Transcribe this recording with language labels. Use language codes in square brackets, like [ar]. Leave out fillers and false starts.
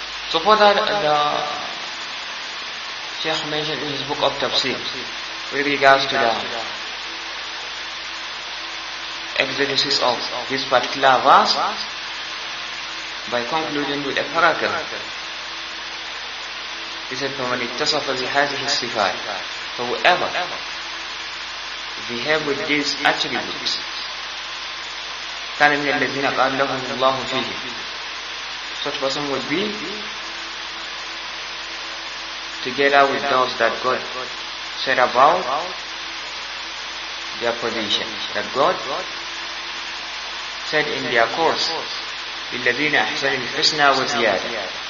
[en] So for that, the Sheikh mentioned in his book of Tafsir, with regards to the exegesis of this particular verse, by concluding with a paragraph. He said, [ar] فَمَنِ اتَّصَفَ بِهَذِهِ الصِّفَاتِ. [en] So whoever behave with these attributes, [ar] كَانَ مِنَ الَّذِينَ قَالَ لَهُمُ اللَّهُ فِيهِ. [en] Such person would be together with those that God said about their position, that God said in their course, [ar] لِلَّذِينَ أَحْسَنِ الْحُسْنَى وَزِيَادَةً.